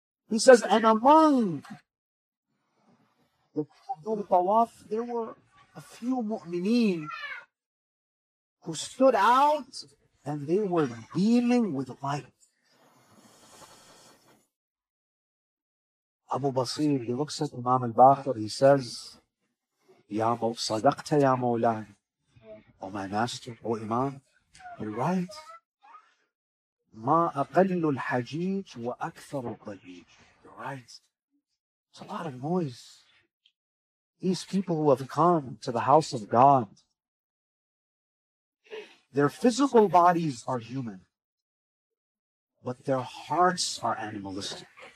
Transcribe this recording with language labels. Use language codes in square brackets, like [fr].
[en] He says, and among the Qudur Tawaf, there were a few mu'mineen who stood out and they were beaming with light. Abu Basir, he looks at Imam al-Baqir, he says, Ya Sadaqta Ya Mawlai, O my master, O Imam, you're right. [ar] ما أقل الحجيج وأكثر الضجيج. [en] You're right. It's a lot of noise. These people who have come to the house of God, their physical bodies are human, but their hearts are animalistic.